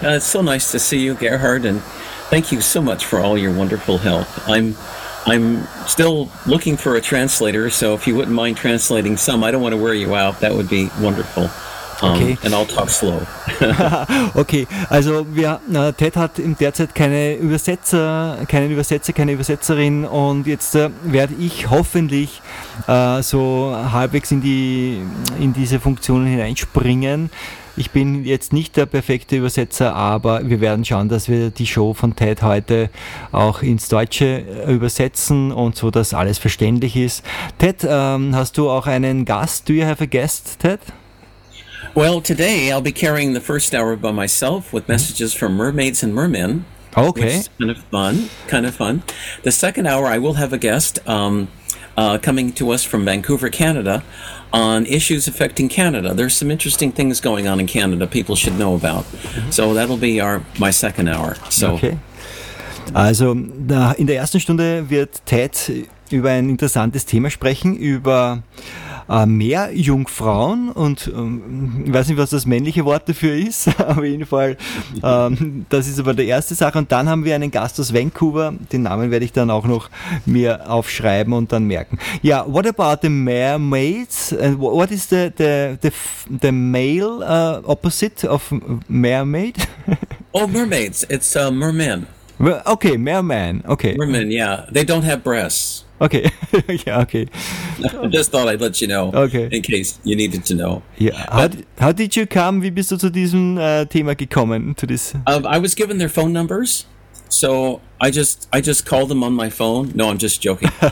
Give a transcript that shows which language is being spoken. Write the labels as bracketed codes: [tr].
[en] It's so nice to see you, Gerhard, and thank you so much for all your wonderful help. I'm still looking for a translator, so if you wouldn't mind translating some, I don't want to wear you out, that would be wonderful. Okay. And I'll talk slow. [de] Okay, also Ted hat in der Zeit keine Übersetzerin, und jetzt werde ich hoffentlich so halbwegs in diese Funktionen hineinspringen. Ich bin jetzt nicht der perfekte Übersetzer, aber wir werden schauen, dass wir die Show von Ted heute auch ins Deutsche übersetzen und so, dass alles verständlich ist. Ted, hast du auch einen Gast? [en] Do you have a guest, Ted? Well, today I'll be carrying the first hour by myself with messages from mermaids and mermen. Okay. Which is kind of fun. The second hour I will have a guest coming to us from Vancouver, Canada, on issues affecting Canada. There's some interesting things going on in Canada people should know about. Mm-hmm. So that'll be my second hour. So. Okay. [de] Also in der ersten Stunde wird Ted über ein interessantes Thema sprechen, über mehr Jungfrauen, und ich weiß nicht, was das männliche Wort dafür ist, auf jeden Fall, das ist aber die erste Sache. Und dann haben wir einen Gast aus Vancouver, den Namen werde ich dann auch noch mir aufschreiben und dann merken. [en] Ja, yeah, what about the mermaids? What is the male opposite of mermaid? Oh, mermaids, it's merman. Okay, merman, okay. Merman, yeah, they don't have breasts. Okay. Yeah, okay. I just thought I'd let you know. Okay. In case you needed to know. Yeah. How did you come? [de] Wie bist du zu diesem Thema gekommen? [en] I was given their phone numbers. So I just called them on my phone. No, I'm just joking.